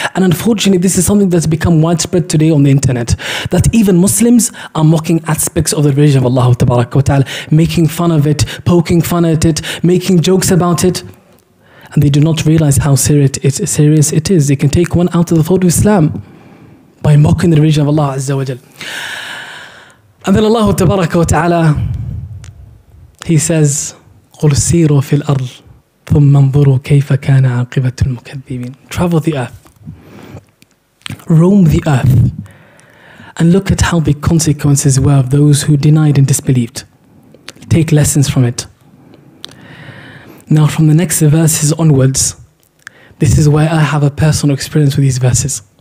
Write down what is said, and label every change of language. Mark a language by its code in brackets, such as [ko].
[en] And unfortunately, this is something that's become widespread today on the internet, that even Muslims are mocking aspects of the religion of Allah tabaraka wa ta'ala, making fun of it, poking fun at it, making jokes about it, and they do not realize how serious it is. They can take one out of the fold of Islam by mocking the religion of Allah azza wa jal. And then Allah tabaraka wa ta'ala, he says, [ar] قُلْ سِيرُوا فِي الْأَرْضِ ثُمَّ انْظُرُوا كَيْفَ كَانَ عَاقِبَةُ الْمُكَذِّبِينَ. [en] Travel the earth, roam the earth, and look at how the consequences were of those who denied and disbelieved. Take lessons from it. Now from the next verses onwards, this is where I have a personal experience with these verses.